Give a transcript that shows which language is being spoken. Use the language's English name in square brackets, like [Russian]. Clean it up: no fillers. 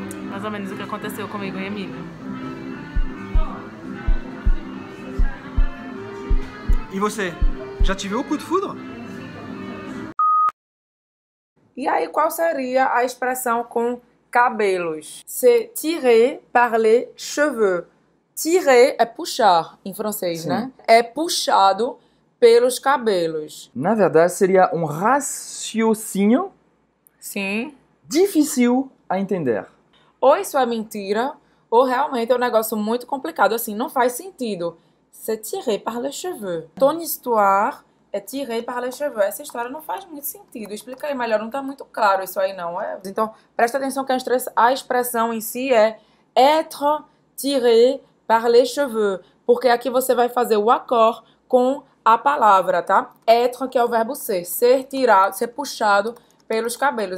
[Portuguese] Mais ou menos o que aconteceu comigo e Emília. E você, já tive o coup de foudre? E aí, qual seria a expressão com cabelos? [French] C'est tirer par les cheveux. [Portuguese] Tirer é puxar em francês, sim, né? É puxado pelos cabelos. Na verdade, seria um raciocínio sim, difícil a entender. Ou isso é mentira, ou realmente é um negócio muito complicado, assim, não faz sentido. [French] C'est tiré par les cheveux. Ton histoire est tirée par les cheveux. [Portuguese] Essa história não faz muito sentido. Explica aí melhor, não está muito claro isso aí não, é? Então, presta atenção que a expressão em si é [French] être tiré par les cheveux. [Portuguese] Porque aqui você vai fazer o accord com a palavra, tá? Être, que é o verbo ser. Ser tirado, ser puxado pelos cabelos.